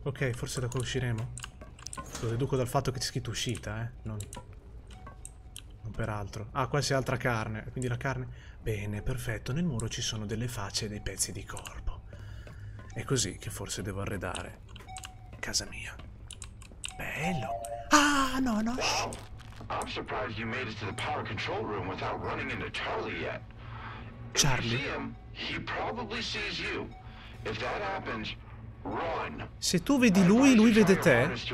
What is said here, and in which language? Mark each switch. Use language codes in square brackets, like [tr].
[it] Ok, forse da qua usciremo. Lo deduco dal fatto che c'è scritto uscita, eh. Non per altro. Ah, qua c'è altra carne. Quindi la carne... Bene, perfetto. Nel muro ci sono delle facce e dei pezzi di corpo. È così che forse devo arredare casa mia. Bello. Ah, no, no. [en] I'm surprised you made it to the power control room without running into Charlie yet. Charlie. If you see him, he probably sees you. If that happens, run. [it] Se tu vedi lui, lui vede te.